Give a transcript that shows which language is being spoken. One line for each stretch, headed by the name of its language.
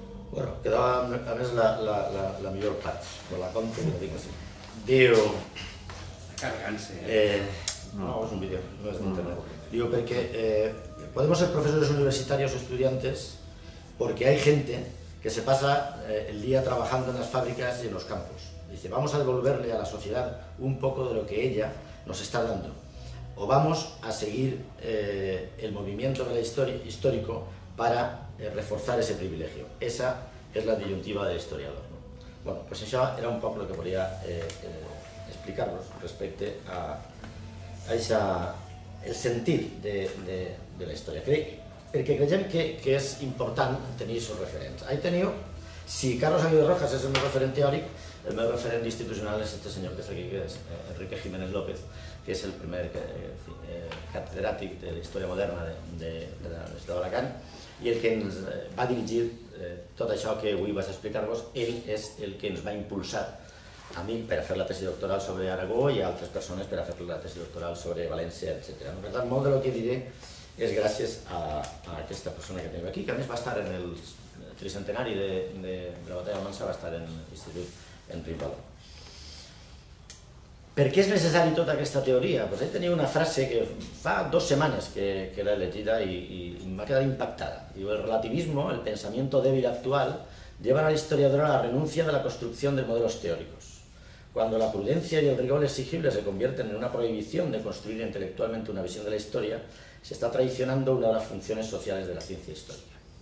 Catalan: Bueno, quedava, a més, la millor part, de la compte, que la dic així. Diu... Cargant-se. No, és un vídeo, no és d'internet. Diu, perquè podem ser professors universitaris o estudiants perquè hi ha gent que se passa el dia treballant en les fàbriques i en els campos.
Spanish: Dice, vamos a devolverle a la societat un poco de lo que ella nos está dando. O vamos a seguir el movimiento de la historia, histórico para reforzar ese privilegio. Esa es la disyuntiva del historiador. Bueno, pues eso era un poco lo que quería explicaros respecto a esa, el sentir de la historia. Porque creemos que es importante tener esos referentes. Ahí tenido, si Carlos Aguirre Rojas es el meu referente teórico, el meu referente institucional es este señor que está aquí, que es Enrique Jiménez López, que es el primer catedrático de la historia moderna de la Universidad de Alacant.
Catalan: I el que ens va dirigir tot això que avui vaig explicar-vos, ell és el que ens va impulsar a mi per a fer la tesi doctoral sobre Aragó i a altres persones per a fer la tesi doctoral sobre València, etc. Per tant, molt del que diré és gràcies a aquesta persona que tenim aquí, que a més va estar en el tricentenari de la Batalla de Mansa, va estar en l'Institut Enric Valo. Per què és necessari tota aquesta teoria? Doncs ell tenia una frase que fa dues setmanes que l'he llegida i m'ha quedat impactada.
Spanish: Diu, el relativismo, el pensamiento débil actual, lleva a la historiadora a la renuncia de la construcción de modelos teóricos. Cuando la prudencia y el rigor exigible se convierten en una prohibición de construir intelectualmente una visión de la historia, se está traicionando una de las funciones sociales de la ciencia histórica.